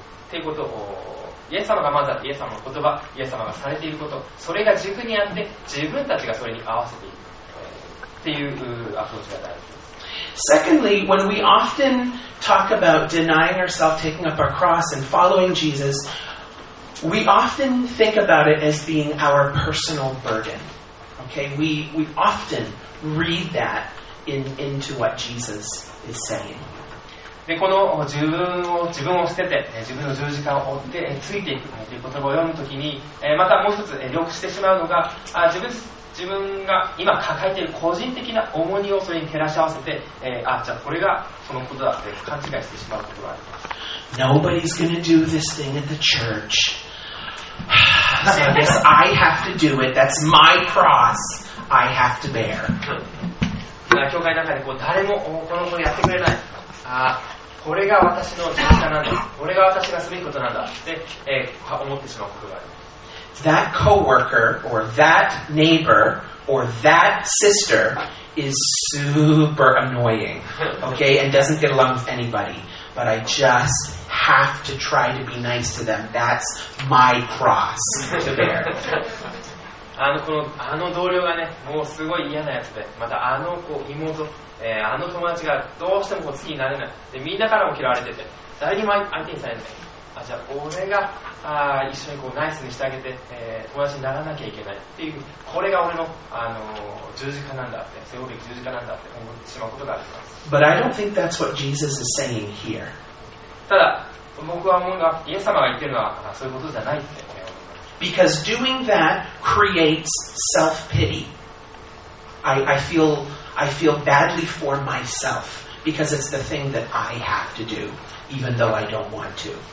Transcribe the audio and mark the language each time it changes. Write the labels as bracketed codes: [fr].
[ja] ということをイエス様がまずイエス様の言葉イエス様がされていることそれが軸にあって自分たちがそれに合わせていくっていうアプローチが大事です。 [en] Secondly, when we often talk about denying ourselves, taking up our cross and following Jesus, we often think about it as being our personal burden. Okay, we often read thatinto what Jesus is saying. [ja] でこの自分を捨てて自分の十字架を追ってついていくという言葉を読むときにまたもう一つ良くしてしまうのが自分が今抱えている個人的な重荷をそれに照らし合わせてじゃあこれがそのことだって勘違いしてしまうことがあります。 [en] Nobody's going to do this thing at the church. So I guess I have to do it. That's my cross I have to bear. [ja] 教会の中でこう誰もこの子やってくれない。あ、これが私の実家なんだ。これが私がすべきことなんだって、思ってしまうことがある。 [en] That coworker or that neighbor or that sister is super annoying, okay, and doesn't get along with anybody. But I just have to try to be nice to them. That's my cross to bear. [ja] あの同僚がね、もうすごい嫌なやつで、またあの子妹、あの友達がどうしてもこう好きになれない。で、みんなからも嫌われてて、誰にも相手にされない。あ、じゃあ俺が一緒にこうナイスにしてあげて、友達にならなきゃいけないっていう、これが俺の、十字架なんだって、背負うべき十字架なんだって思ってしまうことがあります。 [en] But I don't think that's what Jesus is saying here. [ja] ただ、僕は思うのは、イエス様が言ってるのはそういうことじゃないって思います。 [en] Because doing that creates self-pity. I feel badly for myself because it's the thing that I have to do, even though I don't want to.